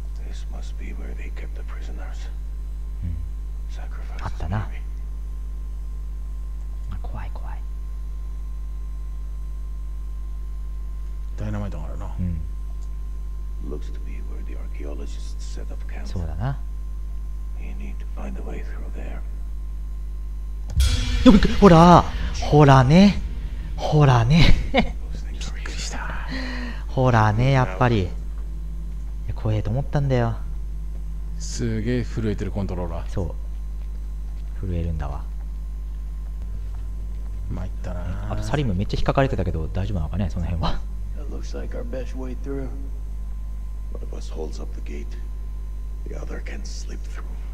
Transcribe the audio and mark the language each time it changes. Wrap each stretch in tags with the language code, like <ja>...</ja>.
<en>This must be where they kept the prisoners.</en> <ja>Sacrifice. あったな。あ、怖い怖い。ダイナマイトがあるな。うん。</ja> <en>Looks to be where the archaeologists set up camp.</en> <ja>そうだな。</ja> <en>You need to find a way through there.</en> <ja>よく、ほら、ほらね、ほらね。びっくりした。ほらね、やっぱり。怖えと思ったんだよ。すげえ震えてるコントローラー。そう、震えるんだわ。まいったな。あとサリムめっちゃ引っかかれてたけど大丈夫なのかね、その辺は。</ja> <en>It looks like our best way through. One of us holds up the gate. The other can slip through.</en>